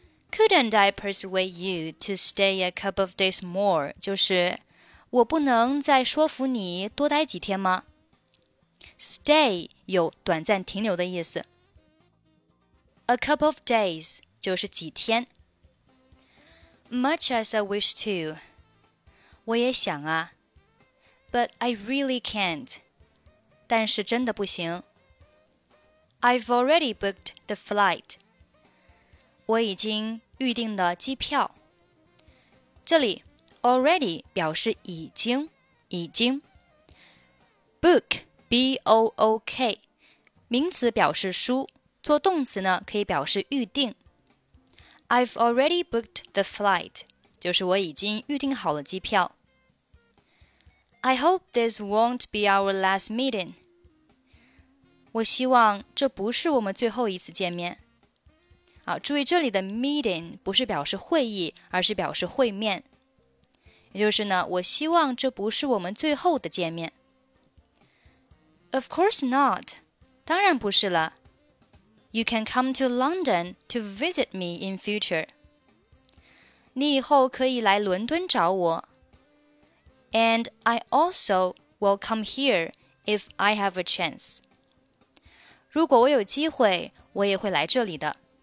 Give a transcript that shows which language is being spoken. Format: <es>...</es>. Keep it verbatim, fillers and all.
<en>Couldn't I persuade you to stay a couple of days more?</en> <zh>就是我不能再说服你多待几天吗 ？Stay 有短暂停留的意思。</zh> <en>A couple of days</en> <zh>就是几天。</zh> <en>Much as I wish to,</en> <zh>我也想啊</zh> <en>，but I really can't.</en> <zh>但是真的不行。</zh> <en>I've already booked the flight.</en> <zh>我已经预定了机票。这里 already 表示已经，已经。 Book B O O K 名词表示书，做动词呢可以表示预定。</zh> <en>I've already booked the flight</en> <zh>就是我已经预定好了机票。</zh> <en>I hope this won't be our last meeting.</en> <zh>我希望这不是我们最后一次见面。好，注意这里的 meeting 不是表示会议，而是表示会面。也就是呢，我希望这不是我们最后的见面。</zh> <en>Of course not.</en> <zh>当然不是了。</zh> <en>You can come to London to visit me in future.</en> <zh>你以后可以来伦敦找我。</zh> <en>And I also will come here if I have a chance.</en> <zh>如果我有机会，我也会来这里的。</zh>